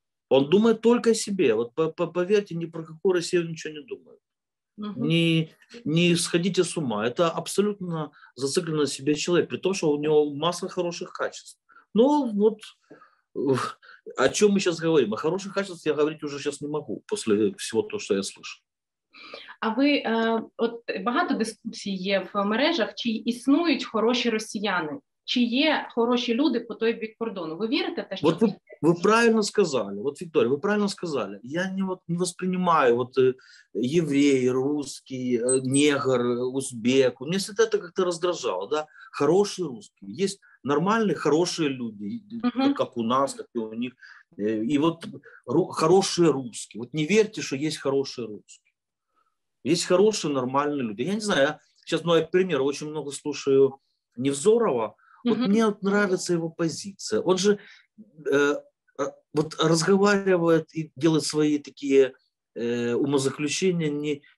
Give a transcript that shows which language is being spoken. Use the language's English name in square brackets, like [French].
[Russian] Он думает только о себе. Вот поверьте, ни про какую Россию ничего не думает. Не сходите с ума. Это абсолютно зацикленный на себе человек, при том, что у него масса хороших качеств. Но вот о чем мы сейчас говорим? О хороших качествах я говорить уже сейчас не могу, после всего того, что я слышу. [Ukrainian] А ви, от багато дискусій є в мережах, чи існують хороші росіяни, чи є хороші люди по той бік кордону? Ви вірите в те, що... От ви правильно сказали, от Вікторія, ви правильно сказали. [Russian] Я не воспринимаю от, єврей, русский, негр, узбек. [Ukrainian] Мені все це як-то роздражало. Да? Хороші русські. Є нормальні, хороші люди, як у нас, так і у них. І от хороші русські. От не вірте, що є хороші русські. [Russian] Есть хорошие, нормальные люди. Я не знаю, я сейчас, ну, я, к примеру, очень много слушаю Невзорова. Вот мне вот нравится его позиция. Он же вот разговаривает и делает свои такие умозаключения.